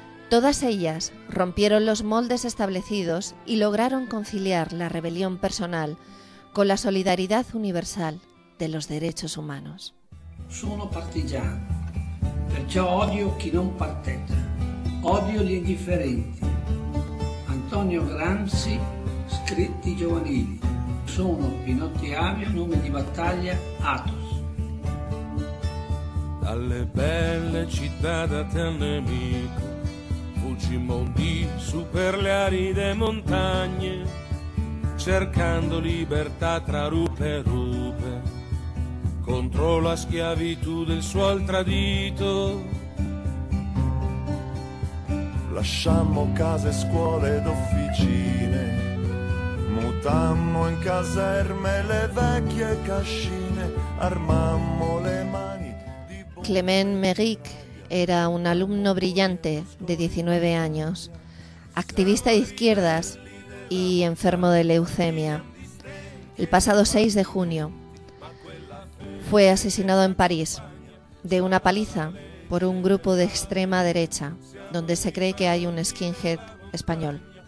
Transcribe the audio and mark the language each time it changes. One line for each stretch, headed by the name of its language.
Spanish: Todas ellas rompieron los moldes establecidos y lograron conciliar la rebelión personal con la solidaridad universal de los derechos humanos.
Italian: Sono partigiano, perciò odio chi non parteggia. Odio gli indifferenti. Antonio Gramsci, scritti giovanili. Sono Pinotti Avio, nome di battaglia Athos. Dalle belle città da te nemico, fuggimmo di su per le aride montagne, cercando libertà tra rupe e rupe, contro la schiavitù del suol tradito. Lasciammo case, scuole ed officine, mutammo in caserme le vecchie cascine, armammo le mani di...
Spanish: Clément Méric era un alumno brillante de 19 años, activista de izquierdas y enfermo de leucemia. El pasado 6 de junio fue asesinado en París de una paliza por un grupo de extrema derecha, donde se cree que hay un skinhead español.